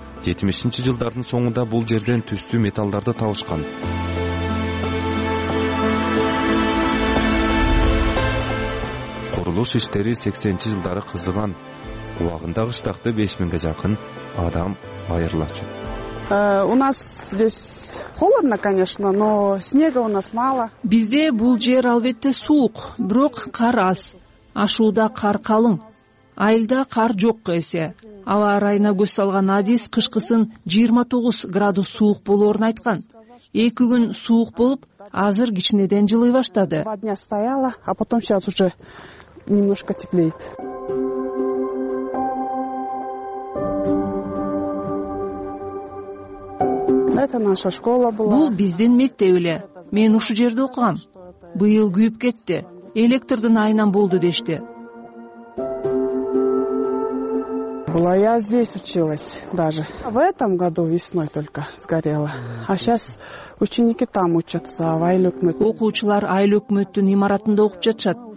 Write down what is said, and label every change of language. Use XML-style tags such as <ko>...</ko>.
<ky>70-чи жылдардын соңунда бул жерден түстүү металдарды табышкан. Курулуш иштери 80-чи жылдары кызыган. Убагында кыштакты 5000 жакын адам айырлачу.</ky> <ru>У нас здесь холодно, конечно, но снега у нас мало.</ru> <ky>Бизде бул жер албетте суук, бирок кар аз. Ашууда кар калың. Айылда кар жок эсе. Аба ырайына көз салган адис кышкысын 29 градус суук болорун айткан. 2 күн суук болуп, азыр кичинеден жылый баштады.</ky> <ru>Два дня стояла, а потом сейчас уже немножко теплеет. Это наша школа была.</ru> <ky>Бул биздин мектеп эле. Мен ушул жерде окугам. Быйыл күйүп кетти. Электрдин айынан болду дешти.</ky> <ru>Была я здесь училась даже. В этом году весной только сгорела. А сейчас ученики там учатся в Айлөкмөт.</ru> <ky>Окуучулар Айлөкмөттүн имаратында окуп жатышат.</ky>